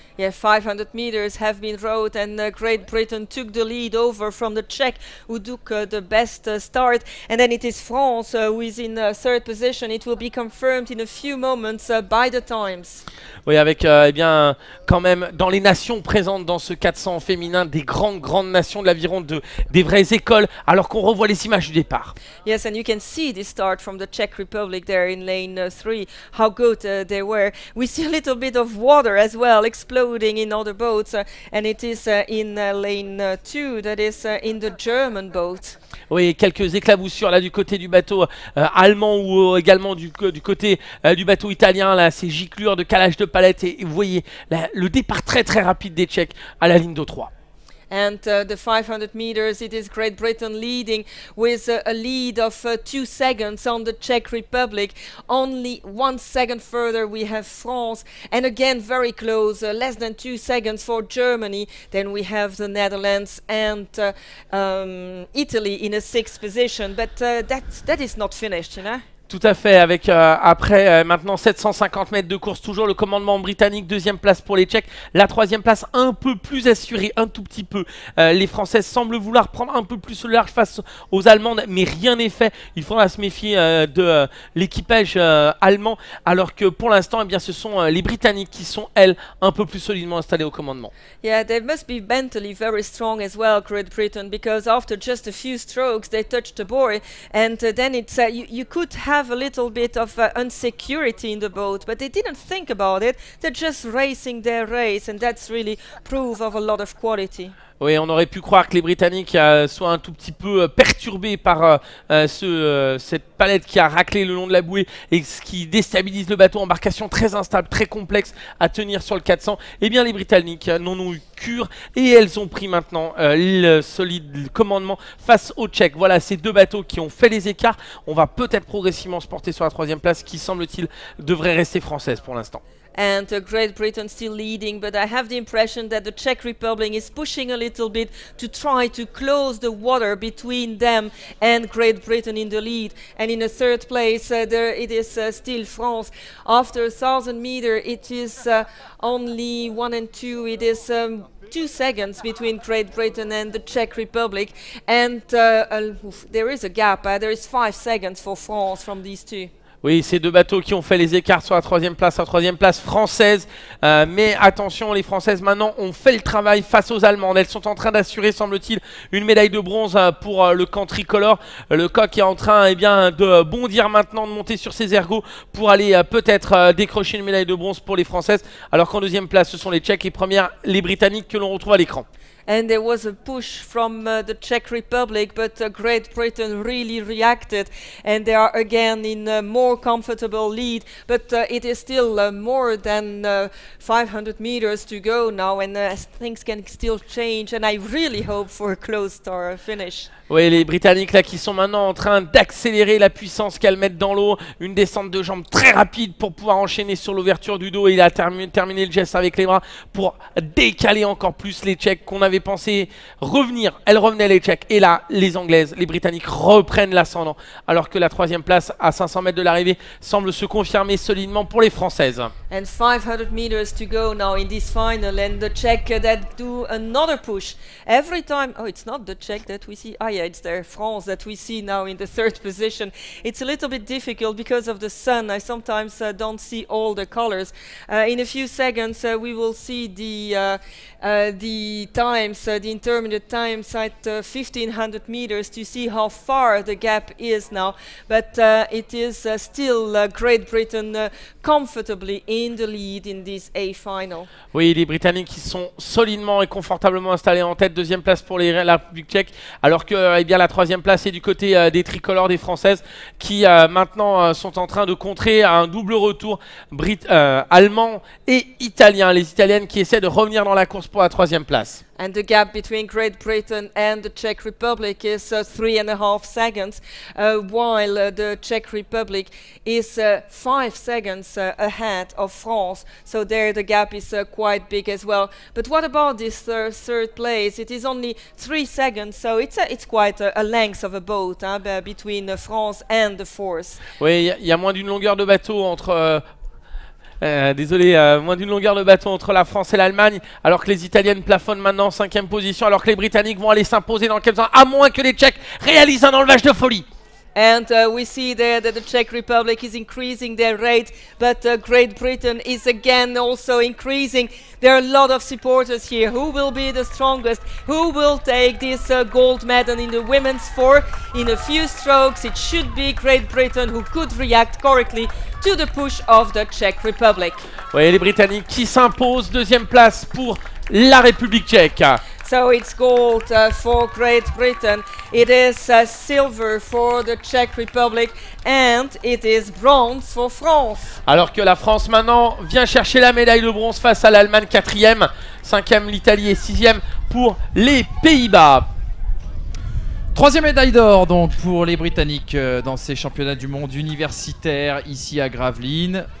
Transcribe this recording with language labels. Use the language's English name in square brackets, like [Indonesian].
[English] Yeah, 500 meters have been rowed and Great Britain took the lead over from the Czech who took the best start, and then it is France who is in third position. It will be confirmed in a few moments by the times. [French] Oui, avec eh bien quand même dans les nations présentes dans ce 400 féminin des grandes nations de l'aviron, des vraies écoles, alors qu'on revoit les images du départ. [English] Yes, and you can see this start from the Czech Republic there in lane 3, how good they were. We see a little bit of water as well exploding in other boats, and it is in lane 2, that is in the German boat. [French] Oui, quelques éclaboussures là du côté du bateau allemand ou également du côté du bateau italien, là, ces giclures de calage de palette, et vous voyez là, le départ très très rapide des Tchèques à la ligne de 3. [English] And the 500 meters, it is Great Britain leading with a lead of 2 seconds on the Czech Republic. Only 1 second further, we have France. And again, very close, less than 2 seconds for Germany. Then we have the Netherlands and Italy in a sixth position. But that is not finished, you know? [French] Tout à fait, avec après maintenant 750 mètres de course, toujours le commandement britannique, deuxième place pour les Tchèques, la troisième place un peu plus assurée, un tout petit peu. Les Françaises semblent vouloir prendre un peu plus le large face aux Allemandes, mais rien n'est fait. Il faudra se méfier de l'équipage allemand, alors que pour l'instant, eh bien, ce sont les Britanniques qui sont, elles, un peu plus solidement installées au commandement. [English] Yeah, they must be mentally very strong as well, Great Britain, because after just a few strokes, they touched the buoy, and then it's you could have a little bit of insecurity in the boat, but they didn't think about it. They're just racing their race, and that's really proof of a lot of quality. [French] Oui, on aurait pu croire que les Britanniques soient un tout petit peu perturbés par cette palette qui a raclé le long de la bouée et ce qui déstabilise le bateau, embarcation très instable, très complexe à tenir sur le 400. Eh bien, les Britanniques n'en ont eu cure et elles ont pris maintenant le solide commandement face aux Tchèques. Voilà, ces deux bateaux qui ont fait les écarts. On va peut-être progressivement se porter sur la troisième place qui, semble-t-il, devrait rester française pour l'instant. [English] And Great Britain still leading, but I have the impression that the Czech Republic is pushing a little bit to try to close the water between them and Great Britain in the lead. And in the third place, it is still France. After 1,000 meters, it is only 1 and 2. It is 2 seconds between Great Britain and the Czech Republic. And there is a gap. There is 5 seconds for France from these two. [French] Oui, ces deux bateaux qui ont fait les écarts sur la troisième place, française. Mais attention, les Françaises maintenant ont fait le travail face aux Allemandes. Elles sont en train d'assurer, semble-t-il, une médaille de bronze pour le camp tricolore. Le coq est en train de bondir maintenant, de monter sur ses ergots pour aller peut-être décrocher une médaille de bronze pour les Françaises. Alors qu'en deuxième place, ce sont les Tchèques et première, les Britanniques que l'on retrouve à l'écran. [English] And there was a push from the Czech Republic, but Great Britain really reacted and they are again in a more comfortable lead. But it is still more than 500 meters to go now and things can still change and I really hope for a close star finish. [French] Oui, les Britanniques là qui sont maintenant en train d'accélérer la puissance qu'elles mettent dans l'eau. Une descente de jambes très rapide pour pouvoir enchaîner sur l'ouverture du dos. Et il a terminé le geste avec les bras pour décaler encore plus les Tchèques qu'on avait pensé revenir. Elles revenaient les Tchèques. Et là, les Anglaises, les Britanniques reprennent l'ascendant. Alors que la troisième place à 500 mètres de l'arrivée semble se confirmer solidement pour les Françaises. [English] And 500 meters to go now in this final. And the Czech that do another push. Every time... Oh, it's not the Czech that we see... Yeah, it's there, France, that we see now in the third position. It's a little bit difficult because of the sun. I sometimes don't see all the colors. In a few seconds, we will see the intermediate times at 1500 meters to see how far the gap is now. But it is still Great Britain comfortably in the lead in this A final. [French] Oui, les Britanniques qui sont solidement et confortablement installés en tête. Deuxième place pour la République tchèque. Alors que eh bien, la troisième place est du côté des tricolores, des Françaises, qui maintenant sont en train de contrer un double retour allemand et italien. Les Italiennes qui essaient de revenir dans la course pour la troisième place. [English] And the gap between Great Britain and the Czech Republic is 3.5 seconds, while the Czech Republic is 5 seconds ahead of France. So there the gap is quite big as well. But what about this third place? It is only 3 seconds, so it's quite a length of a boat between France and the fourth. [French] Oui, il y a moins d'une longueur de bateau entre... moins d'une longueur de bateau entre la France et l'Allemagne, alors que les Italiennes plafonnent maintenant en cinquième position, alors que les Britanniques vont aller s'imposer dans quelques temps, à moins que les Tchèques réalisent un enlevage de folie. [English] And we see there that the Czech Republic is increasing their rate, but Great Britain is again also increasing. There are a lot of supporters here. Who will be the strongest? Who will take this gold medal in the women's four? In a few strokes, it should be Great Britain who could react correctly to the push of the Czech Republic. [French] Oui, les Britanniques qui s'imposent, deuxième place pour la République tchèque. [English] So it's gold for Great Britain, it is silver for the Czech Republic, and it is bronze for France. [French] Alors que la France maintenant vient chercher la médaille de bronze face à l'Allemagne, quatrième, cinquième l'Italie et sixième pour les Pays-Bas. Troisième médaille d'or donc pour les Britanniques dans ces championnats du monde universitaire ici à Gravelines.